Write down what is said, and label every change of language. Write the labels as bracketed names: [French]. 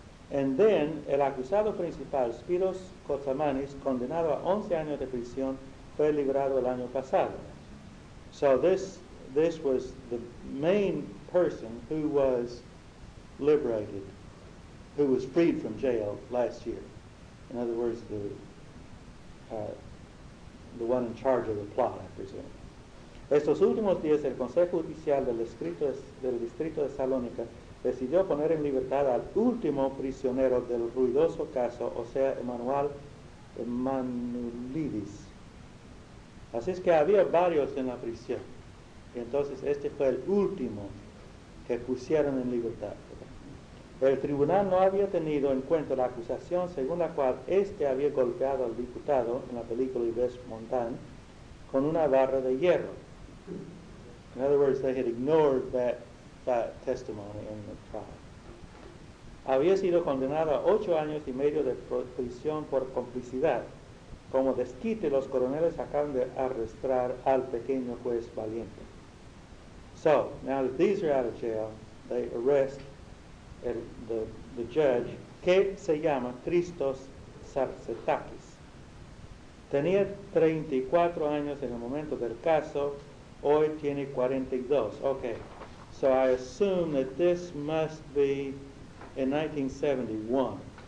[English] And then, [Spanish] el acusado principal, Spiros Kotsamanis, condenado a 11 años de prisión, fue liberado el año pasado. [English] So this was the main person who was liberated, who was freed from jail last year. In other words, the one in charge of the plot, I presume. [Spanish] Estos últimos días, el Consejo Judicial del Distrito de Salónica decidió poner en libertad al último prisionero del ruidoso caso, o sea, Emmanuel Manulidis. Así es que había varios en la prisión. Y entonces este fue el último que pusieron en libertad. El tribunal no había tenido en cuenta la acusación según la cual este había golpeado al diputado en la película Yves Montand con una barra de hierro. [English] In other words, they had ignored that testimony in the trial. [Spanish] Había sido condenado a 8 años y medio de prisión por complicidad. Como desquite, los coroneles acaban de arrestar al pequeño juez valiente. [English] So, now that these are out of jail, they arrest the judge, [Spanish] que se llama [English] Christos Sarsetakis. [Spanish] Tenía 34 años en el momento del caso, hoy tiene 42. [English] Okay, so I assume that this must be in 1971.